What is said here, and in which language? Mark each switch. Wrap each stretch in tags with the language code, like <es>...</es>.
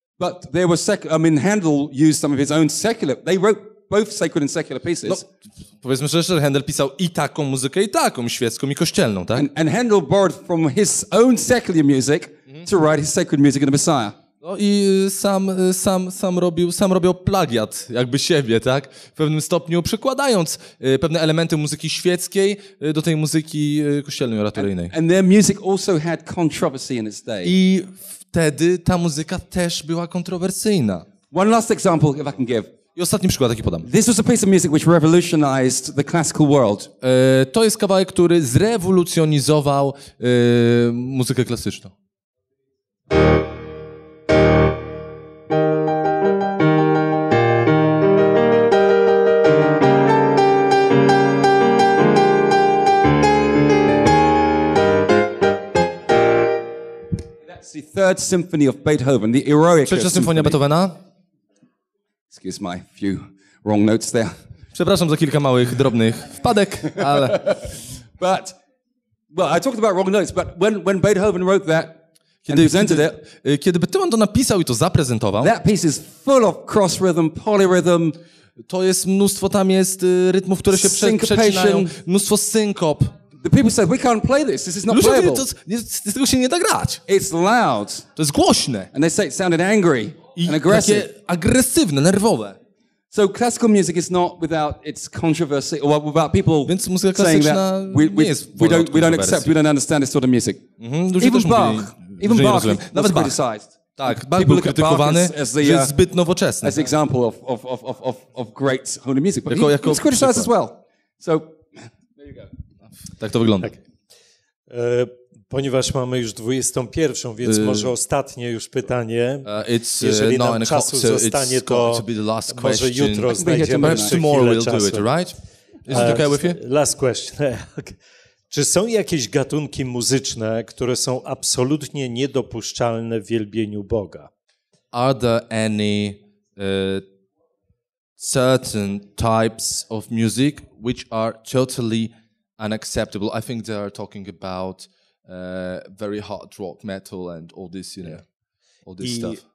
<en>But there was Handel used some of his own secular. They wrote both sacred and secular pieces.</en> <pl>No, powiedzmy szczerze, Handel pisał i taką muzykę, i taką, świecką, i kościelną, tak?</pl> <en>And Handel borrowed from his own secular music to write his sacred music in the Messiah.</en> <pl>No i sam robił plagiat jakby siebie, tak? W pewnym stopniu przekładając pewne elementy muzyki świeckiej do tej muzyki kościelnej, oratoryjnej.</pl> <en>And their music also had controversy in its day.</en> <pl>I wtedy ta muzyka też była kontrowersyjna.</pl> <en>One last example, if I can give.</en> <pl>I ostatni przykład, jaki podam.</pl> <en>This was a piece of music which revolutionized the classical world.</en> <pl>To jest kawałek, który zrewolucjonizował muzykę klasyczną.</pl> <en>The third symphony of Beethoven, the Eroica.</en> <pl>Trzecia symfonia Beethovena.</pl> <en>Excuse my few wrong notes there.</en> <pl>Przepraszam za kilka małych drobnych wpadek, ale.</pl> <en>But, well, I talked about wrong notes, but when Beethoven wrote that,</en> <pl>kiedy Beethoven to napisał i to zaprezentował.</pl> <en>That piece is full of cross rhythm, polyrhythm.</en> <pl>To jest mnóstwo, tam jest rytmów, które się przecinają. Mnóstwo synkop.</pl> <en>The people said, we can't play this. This is not</en> <pl>ludzie</pl> <en>playable.</en> <pl>Mówili, z tego się nie da grać.</pl> <en>It's loud.</en> <pl>To jest głośne.</pl> <en>And they say it sounded angry</en> <pl>I</pl> <en>and aggressive.</en> <pl>Takie agresywne, nerwowe.</pl> <en>So classical music is not without its controversy or without people</en> <pl>więc muzyka</pl> <en>saying that we don't accept, we don't understand this sort of music. Even Bach.</en> <pl>Nawet Bach.</pl> <en>Criticized.</en> <pl>Tak, Bach był krytykowany, że jest zbyt nowoczesny.</pl> <en>As example of great holy music. But he was criticized as well. So</en> <pl>tak to wygląda. Tak. Ponieważ mamy już 21, więc może ostatnie już pytanie. Jeżeli nam czasu zostanie, to może jutro znajdziemy jeszcze chwilę czasu.</pl> <en>It, right? Is it okay with you? Last question.</en> <pl>Czy są jakieś gatunki muzyczne, które są absolutnie niedopuszczalne w wielbieniu Boga?</pl> <en>Are there any certain types of music which are totally unacceptable. I think they are talking about very hard rock, metal and all this, you know, all this stuff.</en>